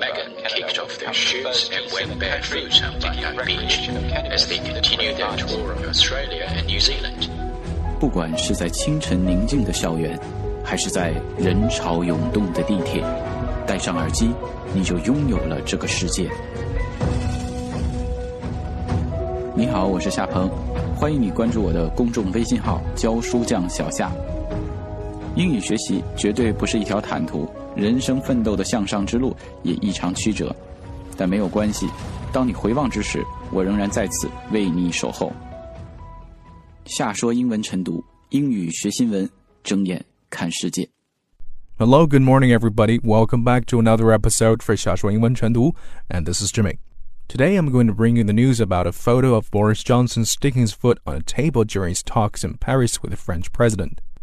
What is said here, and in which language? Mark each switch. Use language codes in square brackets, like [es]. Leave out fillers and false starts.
[en] Meghan kicked off their shoots and went barefoot on Bondi Beach as they continued their tour of Australia and New Zealand. [zh] 不管是在清晨宁静的校园，还是在人潮涌动的地铁，戴上耳机，你就拥有了这个世界。你好，我是夏鹏，欢迎你关注我的公众微信号教书匠小夏。英语学习绝对不是一条坦途，人生奋斗的向上之路也异常曲折，但没有关系，当你回望之时，我仍然在此为你守候。夏说英文晨读，英语学新闻，睁眼看世界。 [en] Hello, good morning everybody. Welcome back to another episode for 夏说英文晨读 and this is Jimmy. Today, I'm going to bring you the news about a photo of Boris Johnson sticking his foot on a table during his talks in Paris with the French president.